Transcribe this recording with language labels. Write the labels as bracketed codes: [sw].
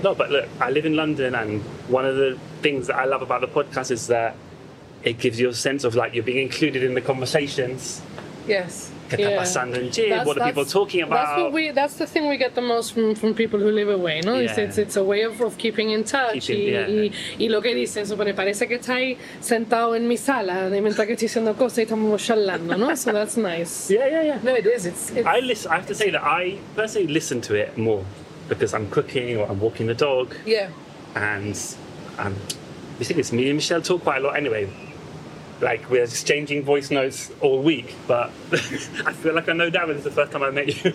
[en] No, but look, I live in London, and one of the things that I love about the podcast is that it gives you a sense of like you're being included in the conversations. Yes. What are people talking about? That's the thing we get the most from people who live away, no? Yeah. It's a way of keeping in touch. [es] Y lo que dicen, so, parece que estás sentado en mi sala y mientras que estoy haciendo cosas y estamos charlando, no? [en] So that's nice. No, it is. I have to say that I personally listen to it more because I'm cooking or I'm walking the dog. Yeah. And you think it's me and Michelle talk quite a lot anyway. Like, we're exchanging voice notes all week, but I feel like I know Dav, it's the first time I met you.